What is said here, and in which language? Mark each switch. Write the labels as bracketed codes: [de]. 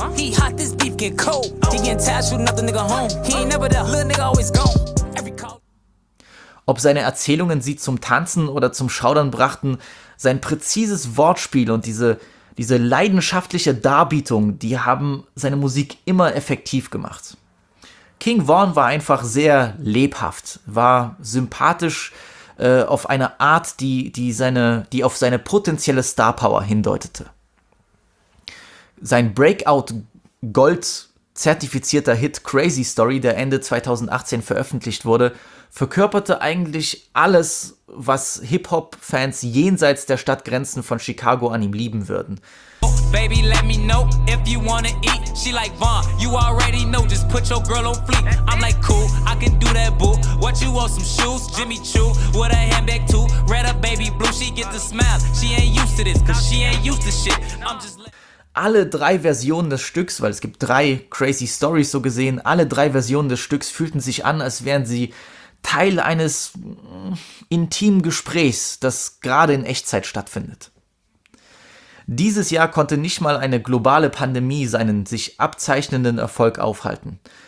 [en] He hot, this beef get cold. He gettin' tired, shootin' up the nigga home. He ain't never there, little nigga always gone. [de] Ob seine Erzählungen sie zum Tanzen oder zum Schaudern brachten, sein präzises Wortspiel und diese leidenschaftliche Darbietung, die haben seine Musik immer effektiv gemacht. King Vaughn war einfach sehr lebhaft, war sympathisch auf eine Art, die auf seine potenzielle Star-Power hindeutete. Sein Breakout-Gold-zertifizierter Hit Crazy Story, der Ende 2018 veröffentlicht wurde, verkörperte eigentlich alles, was Hip-Hop-Fans jenseits der Stadtgrenzen von Chicago an ihm lieben würden. [en] Baby, let me know if you wanna eat. She like Vaughn, you already know, just put your girl on fleek. I'm like, cool, I can do that, boo. What you want, some shoes? Jimmy Choo, with a handbag too. Red or baby blue, she get the smile. She ain't used to this, cause she ain't used to shit. I'm just... [de] Alle drei Versionen des Stücks, weil es gibt drei Crazy Stories so gesehen, alle drei Versionen des Stücks fühlten sich an, als wären sie Teil eines intimen Gesprächs, das gerade in Echtzeit stattfindet. Dieses Jahr konnte nicht mal eine globale Pandemie seinen sich abzeichnenden Erfolg aufhalten.